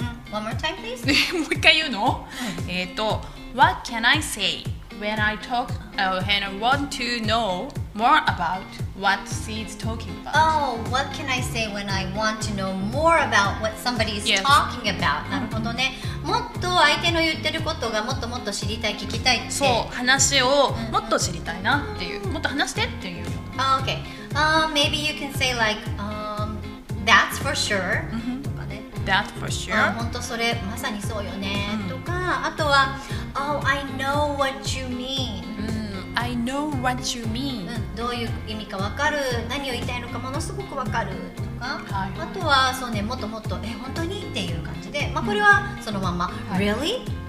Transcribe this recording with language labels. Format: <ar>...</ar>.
<en>One more time, please.</en> <ja>もう一回言うの？</ja> <en>What can I say when I talk and want to know more about what she's talking about? Oh, what can I say when I want to know more about what somebody is talking about?</en> <ja>なるほどね。もっと相手の言ってることがもっともっと知りたい、聞きたいって。そう、話をもっと知りたいなっていう。もっと話してっていう。</ja> <en>Oh, okay. Maybe you can say like, that's for sure. That's for sure.</en> <ja>本当それまさにそうよね。とか、あとは、</ja> <en>Oh, I know what you mean. I know what you mean.</en> <ja>どういう意味かわかる。何を言いたいのかものすごくわかる。とか、はい、あとはそうね、もっともっと、本当にっていう感じで、まあこれはそのまま、Really?</ja>